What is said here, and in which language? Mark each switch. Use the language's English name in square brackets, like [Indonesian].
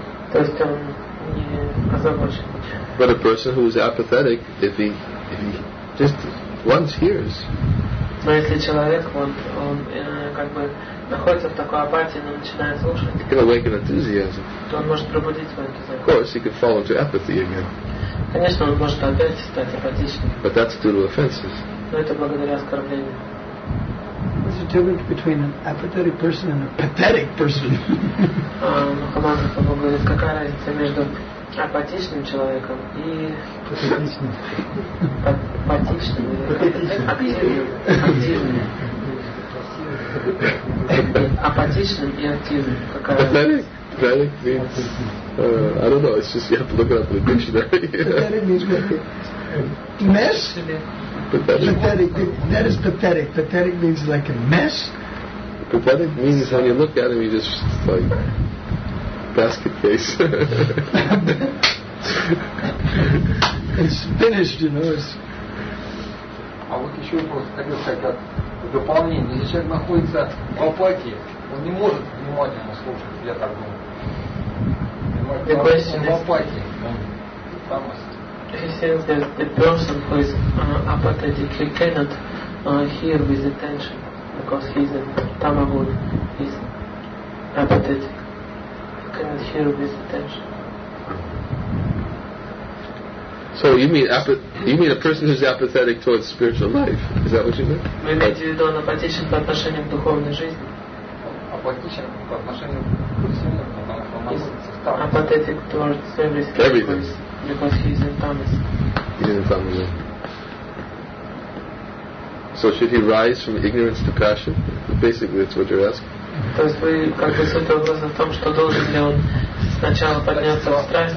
[English] But a person who is apathetic, if he just once hears. [Russian] Но если человек он как бы находится в такой апатии, но начинает слушать. [English] He can awaken enthusiasm. [Russian] То он может пробудить свой энтузиазм. [English] Of course, he could fall into apathy again. [Russian] Конечно, он может опять стать апатичным. [English] But that's due to offenses. [Russian] Но это благодаря оскорблению. [English] This is difference between an apathetic person and a pathetic person? Pathetic means, I don't know, it's just you have to look it up in the dictionary. Pathetic means mess? Pathetic. That is pathetic. Pathetic means like a mess? Pathetic means when you look at him, you just like basket case. It's finished, you know. It's... [Russian] А вот еще вопрос, как бы сказать, как дополнение. Если человек находится в апатии, он не может внимательно слушать, я так думаю. Он в апатии. [English] He says that the person who is apathetic, he cannot hear with attention because he is a tamaguna, he is apathetic, he cannot hear with attention. So you mean a person who's apathetic towards spiritual life? Is that what you mean? [Russian] Вы имеете в виду апатичен по отношению к духовной жизни? Апатичен по отношению к всему, [English] apathetic towards everything. Because he's in Thomas. He's in Thomas. So should he rise from ignorance to passion? Basically, that's what you're asking. [Russian] То есть вы как бы суть вопроса в том, что должен ли он сначала подняться в страсть?